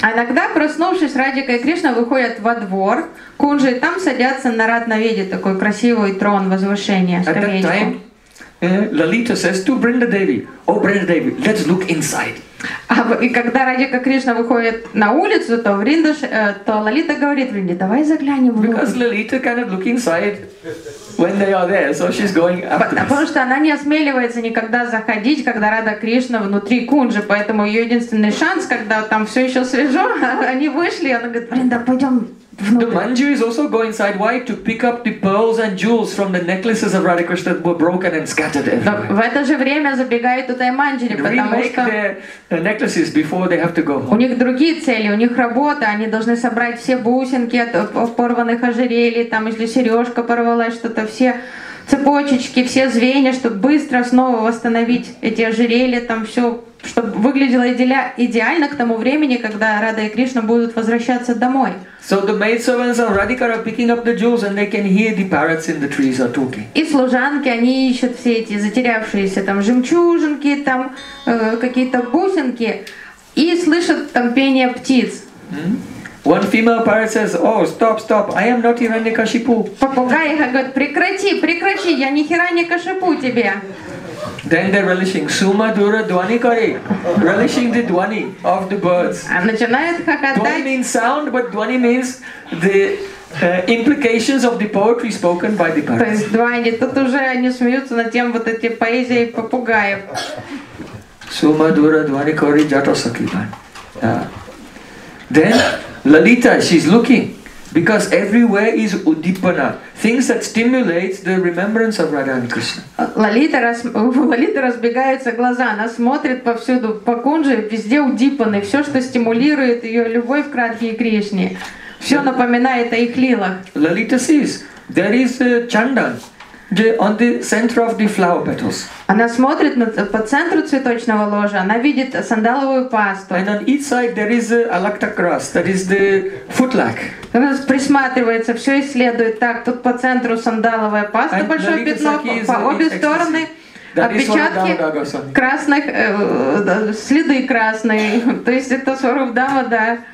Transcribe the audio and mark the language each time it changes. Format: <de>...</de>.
<ru>А иногда, проснувшись, Радика и Кришна выходят во двор кунжи и там садятся на Ратнаведи, такой красивый трон, возвышение, скамеечку.</ru> <en>Lalita says to Brindadevi, oh Brindadevi, let's look inside.</en> <ru>А и когда Радика Кришна выходит на улицу, то Лалита говорит Вринде, давай заглянем внутрь.</ru> <en>Because Lalita cannot look inside when they are there, so she's going after.</en> <ru>Потому что она не осмеливается никогда заходить, когда Рада Кришна внутри кунжи, поэтому ее единственный шанс, когда там все еще свежо, они вышли, и она говорит, Вринда, пойдем.</ru> <en>The Manjari is also going inside. Why? To pick up the pearls and jewels from the necklaces of Radha Krishna that were broken and scattered everywhere.</en> <ru>В это же время забегают туда и Манджири, потому что</ru> <en>their necklaces before they have to go home.</en> <ru>У них другие цели, у них работа. Они должны собрать все бусинки от порванных ожерелий, там если сережка порвалась, что-то все цепочечки, все звенья, чтобы быстро снова восстановить эти ожерелья, там все, чтобы выглядело идеально к тому времени, когда Рада и Кришна будут возвращаться домой.</ru> <en>So the maidservants of Radhika are picking up the jewels, and they can hear the parrots in the trees are talking.</en> <ru>И служанки, они ищут все эти затерявшиеся там жемчужинки, там какие-то бусинки, и слышат там пение птиц.</ru> <en>One female parrot says, "Oh, stop, stop! I am not Hiranyakashipu."</en> <ru>Попугай говорит, прекрати, прекрати, я не Хираньякашипу тебе.</ru> <en>Then they're relishing</en> <bn>sumadura dwani kare,</bn> <en>relishing the dwani of the birds.</en> <ru>Начинает хохотать.</ru> <en>Dwani means sound, but dwani means the implications of the poetry spoken by the parrot.</en> <ru>То есть дуани, тут уже они смеются над тем вот эти поэзией попугаев.</ru> <bn>Sumadura dwani kare jata sakhi.</bn> <en>Then Lalita, she's looking. Because everywhere is Uddipana, things that stimulate the remembrance of Radha and Krishna.</en> <ru>Лалита разбегаются глаза, она смотрит повсюду по кунже, везде Уддипаны, все, что стимулирует ее любовь к Радхе и Кришне, все напоминает о их лилах.</ru> <en>Лалита sees there is a chandan on the center of the flower petals.</en> <ru>Она смотрит по центру цветочного ложа, она видит сандаловую пасту.</ru> <en>And on each side there is a lakta grass, that is the footlac.</en> <ru>Она присматривается, все исследует. Так, тут по центру сандаловая паста,</ru> <en>and</en> <ru>большое Lalita пятно, по обе стороны отпечатки красных, следы красные. То есть это Сварупдама, да.</ru>